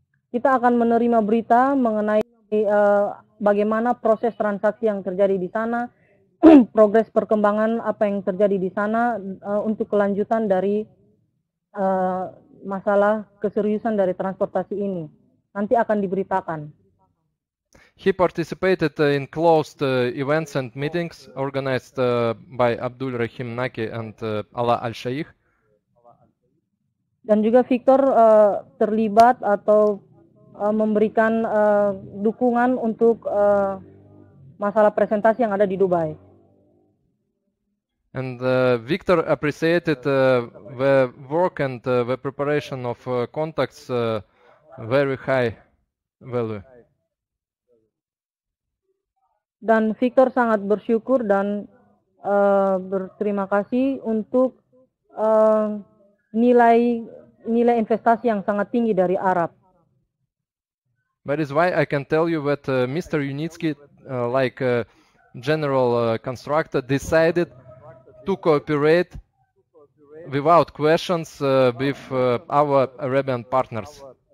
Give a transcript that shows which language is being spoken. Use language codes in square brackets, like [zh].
[id] Kita akan menerima berita mengenai bagaimana proses transaksi yang terjadi di sana, progres perkembangan apa yang terjadi di sana untuk kelanjutan dari masalah keseriusan dari transportasi ini. Nanti akan diberitakan. [en] He participated in closed events and meetings organized by Abdul Rahim Naki and Ala Al-Shaykh. [id] Dan juga Victor terlibat atau memberikan dukungan untuk masalah presentasi yang ada di Dubai. [en] And Victor appreciated the work and the preparation of contacts very high value. [id] Dan Victor sangat bersyukur dan berterima kasih untuk nilai investasi yang sangat tinggi dari Arab. [en] That is why I can tell you that Mr. Yunitsky, like a general constructor, decided to cooperate without questions with our Arabian partners.